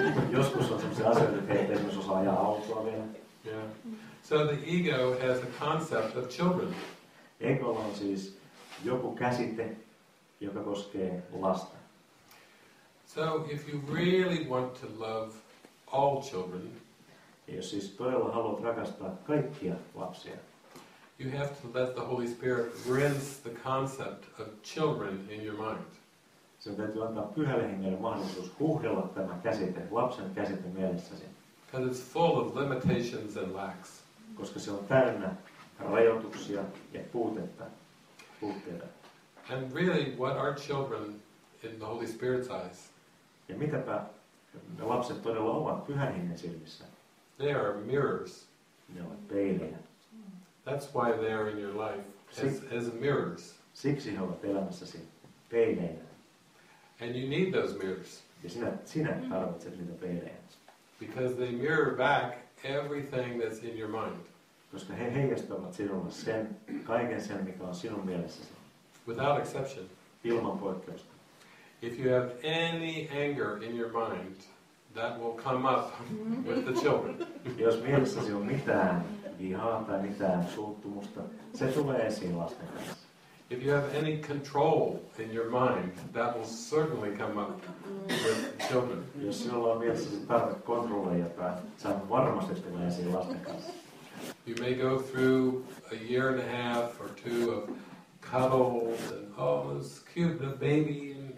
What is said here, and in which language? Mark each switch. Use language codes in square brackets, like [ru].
[fi] Joskus on sellaisia asioita, että heitä esimerkiksi osaa ajaa autoa vielä. [en] Yeah. So the ego has a concept of children. [fi] Ego on siis joku käsite, joka koskee lasta. [en] So if you really want to love all children, [fi] jos siis todella haluat rakastaa kaikkia lapsia, [en] you have to let the Holy Spirit rinse the concept of children in your mind. [fi] Sen täytyy antaa Pyhälle Hengelle mahdollisuus huuhdella tämä käsite, lapsen käsite mielessäsi. [en] Because it's full of limitations and lacks. [fi] Koska se on täynnä rajoituksia ja puutteita. [en] And really, what are children in the Holy Spirit's eyes? [fi] Ja mitäpä ne lapset todella ovat Pyhän Hengen silmissä? [en] They are mirrors. [fi] Ne ovat peilejä. [en] That's why they are in your life, as mirrors. [fi] Siksi he ovat elämässäsi peileinä. [en] And you need those mirrors. [fi] Ja sinä tarvitset niitä peilejä. [en] Because they mirror back everything that's in your mind. [fi] Koska he heijastavat sinulle sen, kaiken sen, mikä on sinun mielessäsi. [en] Without exception. [fi] Ilman poikkeusta. [en] If you have any anger in your mind, that will come up with the children. [fi] Jos mielessäsi on mitään vihaa tai mitään suuttumusta, se tulee esiin lasten kanssa. [en] If you have any control in your mind, that will certainly come up with the children. [fi] Jos sinulla on mielessäsi tarve kontrolleja, se varmasti tulee esiin lasten kanssa. [en] You may go through a year and a half or two of cuddles and oh, it's cute, the baby.